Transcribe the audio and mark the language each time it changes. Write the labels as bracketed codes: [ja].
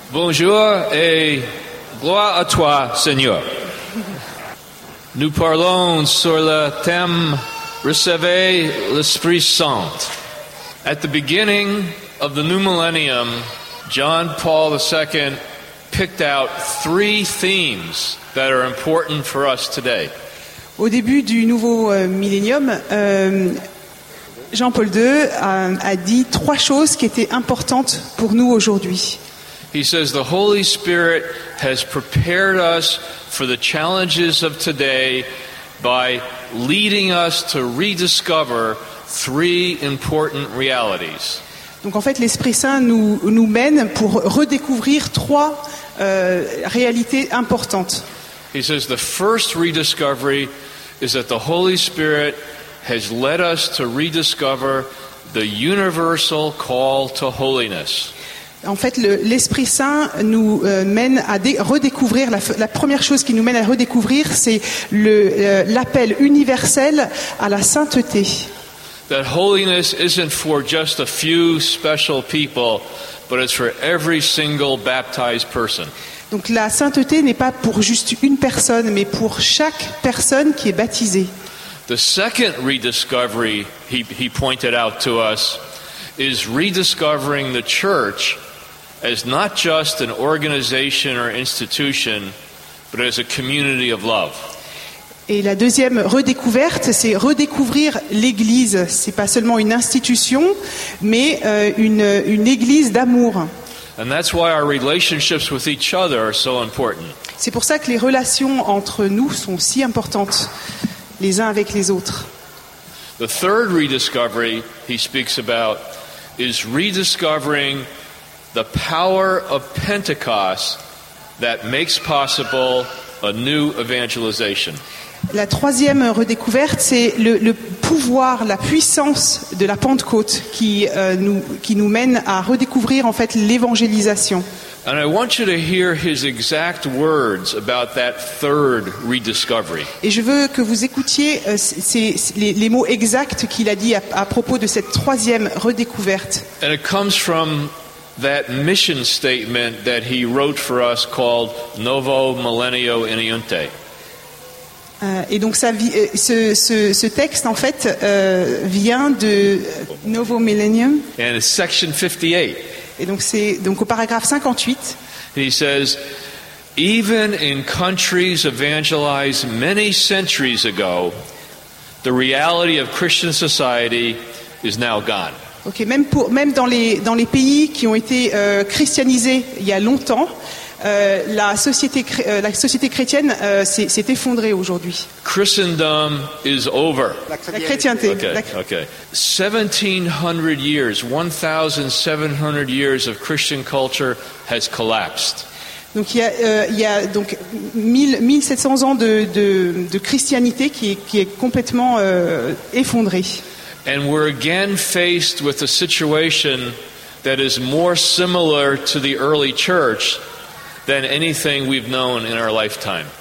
[fr] Bonjour et gloire à toi, Seigneur. Nous parlons sur le thème Recevez l'Esprit Saint. [en] At the beginning of the new millennium, John Paul II picked out three themes that are important for us today. [fr] Au début du nouveau millénium, Jean-Paul II a dit trois choses qui étaient importantes pour nous aujourd'hui. [en] He says the Holy Spirit has prepared us for the challenges of today by leading us to rediscover three important realities. [fr] Donc en fait, l'Esprit Saint nous mène pour redécouvrir trois réalités importantes. [en] He says the first rediscovery is that the Holy Spirit has led us to rediscover the universal call to holiness. [fr] En fait, l'Esprit Saint nous mène à redécouvrir, la première chose qui nous mène à redécouvrir, c'est l'appel universel à la sainteté. [en] That holiness isn't for just a few special people, but it's for every single baptized person. [fr] Donc la sainteté n'est pas pour juste une personne, mais pour chaque personne qui est baptisée. [en] The second rediscovery he pointed out to us is rediscovering the church as not just an organization or institution, but as a community of love. [fr] Et la deuxième redécouverte, c'est redécouvrir l'Église. Ce n'est pas seulement une institution, mais une Église d'amour. [en] And that's why our relationships with each other are so important. [fr] C'est pour ça que les relations entre nous sont si importantes, les uns avec les autres. [en] The third rediscovery he speaks about is rediscovering the power of Pentecost that makes possible a new evangelization. [fr] La troisième redécouverte, c'est le pouvoir, la puissance de la Pentecôte qui nous mène à redécouvrir en fait l'évangélisation. [en] And I want you to hear his exact words about that third rediscovery. [fr] Et je veux que vous écoutiez les mots exacts qu'il a dit à propos de cette troisième redécouverte. [en] And it comes from that mission statement that he wrote for us called Novo Millennio Iniunte. [fr] Et donc ce texte en fait vient de Novo Millennium. [en] And it's section 58. [fr] Et donc c'est au paragraphe 58. [en] He says, even in countries evangelized many centuries ago, the reality of Christian society is now gone. [fr] Ok, même dans les pays qui ont été christianisés il y a longtemps. La société chrétienne s'est effondrée aujourd'hui. [en] Christendom is over. [fr] La chrétienté. [en] Okay. 1700 years, 1700 years of Christian culture has collapsed. [fr] Donc il y a 1700 ans de christianité qui est complètement effondrée. [en] And we're again faced with a situation that is more similar to the early church than anything we've known in our lifetime.